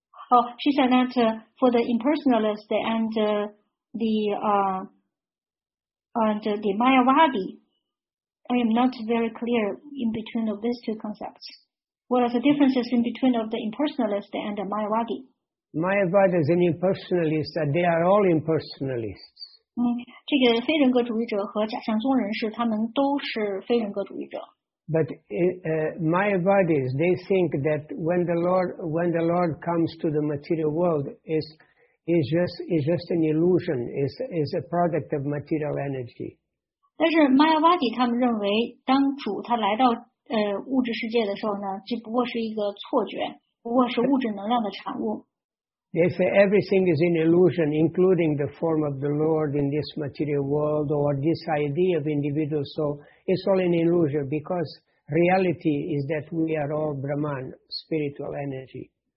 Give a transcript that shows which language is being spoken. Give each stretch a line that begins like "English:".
English: Oh, she said that for the impersonalist and the Mayavadi, I am not very clear in between of these two concepts. What are the differences in between of the impersonalist and the Mayavadi? Mayavadis and impersonalists, they are all impersonalists.
Chinese: 这个非人格主义者和假象宗人士，他们都是非人格主义者。
English: But Mayavadis, they think that when the Lord comes to the material world, is just an illusion, is a product of material energy.
Chinese: 但是 Mayavadi 他们认为，当主他来到物质世界的时候呢，这不过是一个错觉，不过是物质能量的产物。
English: They say everything is an illusion, including the form of the Lord in this material world or this idea of individual soul. It's all an illusion because reality is that we are all Brahman, spiritual energy.